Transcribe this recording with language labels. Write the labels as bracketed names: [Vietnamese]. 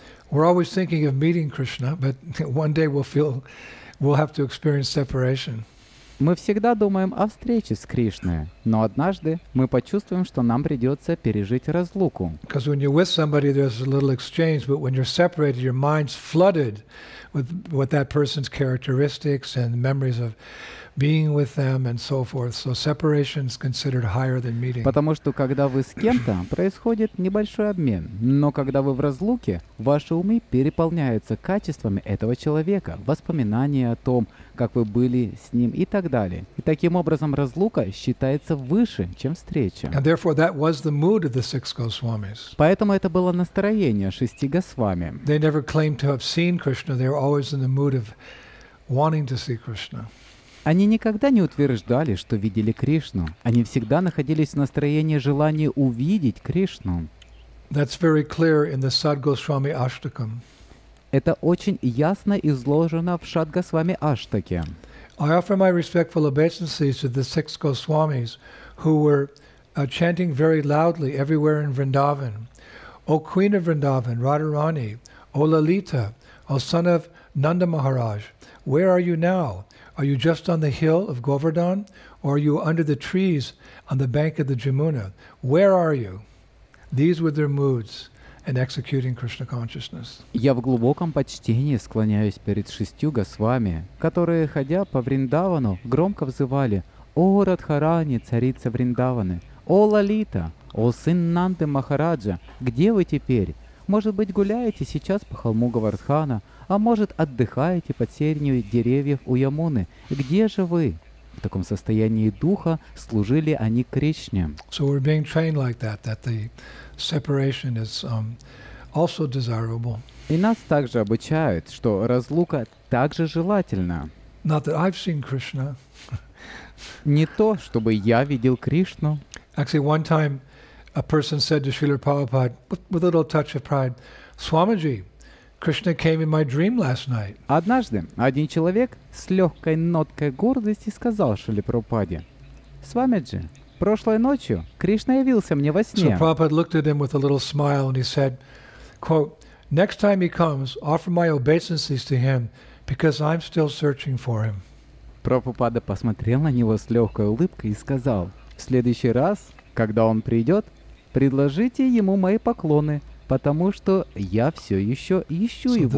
[English] We're always thinking of meeting Krishna, but one day we'll have to experience separation. [Russian] Мы всегда думаем о встрече с Кришной, но однажды мы почувствуем, что нам придется пережить разлуку. [English] Because when you're with somebody, there's a little exchange, but when you're separated, your mind's flooded with that person's characteristics and memories of being with them and so forth. So separation is considered higher than meeting. [Russian] Потому что когда вы с кем-то, происходит небольшой обмен. Но когда вы в разлуке, ваши умы переполняются качествами этого человека, воспоминания о том, как вы были с ним и так далее. И таким образом разлука считается выше, чем встреча. [English] And therefore that was the mood of the six Госвамис. [Russian] Поэтому это было настроение шести Госвами. [English] They never claimed to have seen Krishna. They were always in the mood of wanting to see Krishna. [Russian] Они никогда не утверждали, что видели Кришну. Они всегда находились в настроении желания увидеть Кришну. [English] That's very clear in the Sad Goswami Ashtakam. [Russian] Это очень ясно изложено в Шад Госвами Аштаке. [English] I offer my respectful obeisances to the six Goswamis who were chanting very loudly everywhere in Vrindavan. O Queen of Vrindavan, Radharani, O Lalita, O son of Nanda Maharaj, where are you now? Are you just on the hill of Govardhan, or are you under the trees on the bank of the Jamuna? Where are you? These were their moods in executing Krishna consciousness. [Russian] Я в глубоком почтении склоняюсь перед шестью Госвами, которые, ходя по Вриндавану, громко взывали: «О Радхарани, царица Вриндаваны! О Лалита! О сын Нанды Махараджа! Где вы теперь? Может быть, гуляете сейчас по холму Говардхана, а может, отдыхаете под сенью деревьев у Ямуны. Где же вы?» В таком состоянии духа служили они Кришне. [English] So we're being trained like that, that the separation is also desirable. [Russian] И нас также обучают, что разлука также желательна. [English] Not that I've seen Krishna. [Russian] Не то, чтобы я видел Кришну. [English] Actually, one time, a person said to Srila Prabhupada, with a little touch of pride, Swamiji, Krishna came in my dream last night. [Russian] Однажды один человек с легкой ноткой гордости сказал Шриле Прабхупаде, Свамиджи, прошлой ночью Кришна явился мне во сне. [English] So Prabhupada looked at him with a little smile and he said, quote, next time he comes, offer my obeisances to him, because I'm still searching for him. [Russian] Прабхупада посмотрел на него с легкой улыбкой и сказал, в следующий раз, когда он придет, предложите ему мои поклоны, потому что я все еще ищу его.